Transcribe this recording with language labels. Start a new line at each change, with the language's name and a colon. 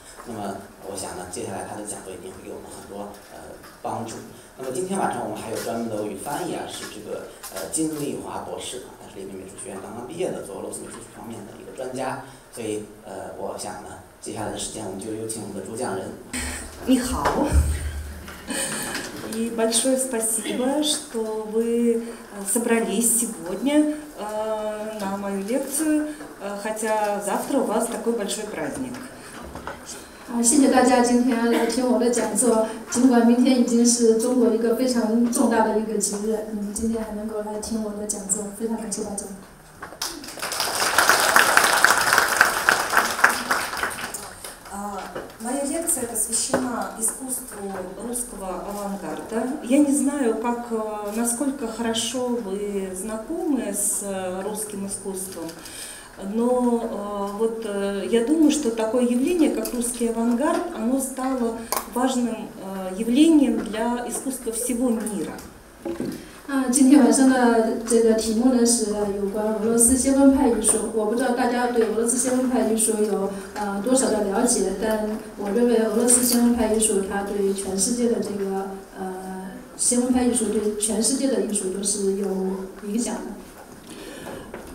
Chinese: 那么我想呢，接下来他的讲座一定会给我们很多帮助。那么今天晚上我们还有专门的俄语翻译啊，是这个金丽华博士啊，他是列宾美术学院刚刚毕业的，做俄罗斯美术史方面的一个专家。所以我想呢，接下来的时间我们就有请我们的主讲人。你好。
Russian: И большое спасибо, что вы собрались сегодня на мою лекцию, хотя завтра у вас такой большой праздник.
Chinese: 谢谢大家今天来听我的讲座，尽管明天已经是中国一个非常重大的一个节日，你们今天还能够来听我的讲座，非常感谢大家。
Russian: Моя лекция посвящена искусству русского авангарда. Я не знаю, как, насколько хорошо вы знакомы с русским искусством, но вот я думаю, что такое явление, как русский авангард, оно стало важным явлением для искусства всего мира.
Chinese: 今天晚上的这个题目呢是有关俄罗斯先锋派艺术。我不知道大家对俄罗斯先锋派艺术有多少的了解，但我认为俄罗斯先锋派艺术它对全世界的这个先锋派艺术对全世界的艺术都是有影响的。